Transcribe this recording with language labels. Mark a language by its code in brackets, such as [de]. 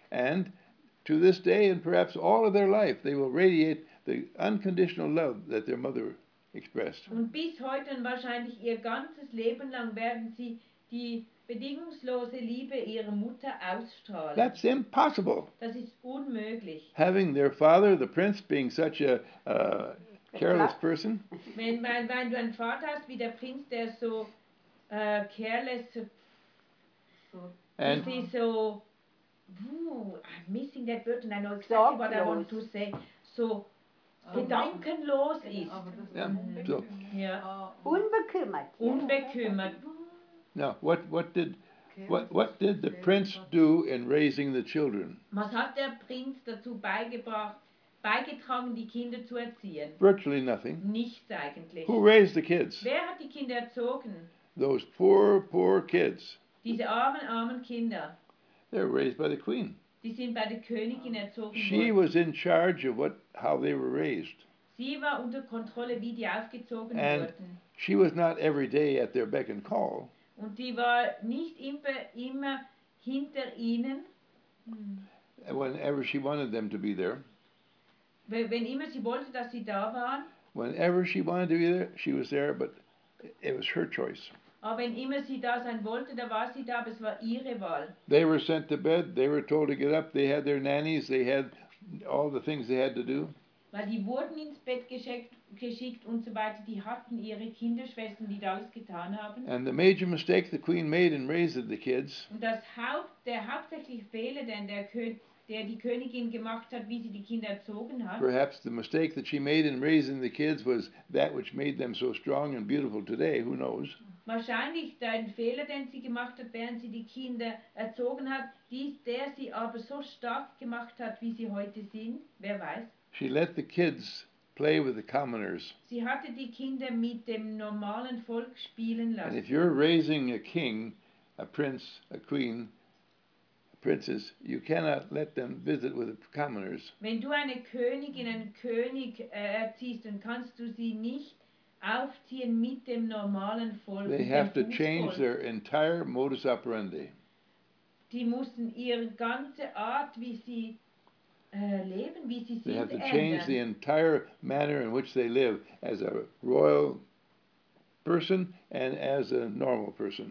[en] And to this day and perhaps all of their life they will radiate the unconditional love that their mother expressed. [de] Und bis heute und wahrscheinlich ihr ganzes Leben lang werden sie die bedingungslose Liebe ihrer Mutter ausstrahlen. [en] That's impossible. [de] Das ist unmöglich. [en] Having their father, the prince, being such a careless person. [de] Wenn du einen Vater hast wie der Prinz, der so [en] careless, and so, I'm missing that word and I know exactly what I want to say. [de] So gedankenlos ist. [en] Yeah. So. Yeah. [de] Unbekümmert. Unbekümmert. [en] Now, what did the prince do in raising the children? [de] Was hat der Prinz dazu beigetragen, die Kinder zu erziehen? [en] Virtually nothing. [de] Nichts eigentlich. [en] Who raised the kids? [de] Wer hat die Kinder erzogen? [en] Those poor, poor kids. [de] Diese armen, armen Kinder. [en] They were raised by the queen. [de] Die sind bei der Königin erzogen worden. [en] She was in charge of how they were raised. [de] Sie war unter Kontrolle, wie die aufgezogen wurden. [en] And she was not every day at their beck and call. [de] Und die war nicht immer hinter ihnen. [en] Whenever she wanted them to be there. [de] Wenn immer sie wollte, dass sie da waren. [en] Whenever she wanted to be there, she was there, but it was her choice. [de] Aber wenn immer sie da sein wollte, da war sie da, aber es war ihre Wahl. [en] They were sent to bed, they were told to get up, they had their nannies, they had all the things they had to do. [de] Weil die wurden ins Bett geschickt und so weiter, die hatten ihre Kinderschwestern, die das getan haben. [en] And the major mistake the queen made in raising the kids. [de] Und der hauptsächliche Fehler, der die Königin gemacht hat, wie sie die Kinder erzogen hat. [en] Perhaps the mistake that she made in raising the kids was that which made them so strong and beautiful today, who knows. [de] Wahrscheinlich der Fehler, den sie gemacht hat, während sie die Kinder erzogen hat, der sie aber so stark gemacht hat, wie sie heute sind, wer weiß. [en] She let the kids play with the commoners. [de] Sie hatte die Kinder mit dem normalen Volk spielen lassen. [en] And if you're raising a king, a prince, a queen, a princess, you cannot let them visit with the commoners. [de] Wenn du eine Königin, einen König erziehst, dann kannst du sie nicht aufziehen mit dem normalen Volk. [en] They have to change their entire modus operandi. [de] Die mussten ihre ganze Art, wie sie leben, wie sie sind, [en] they have to change the entire manner in which they live as a royal person and as a normal person.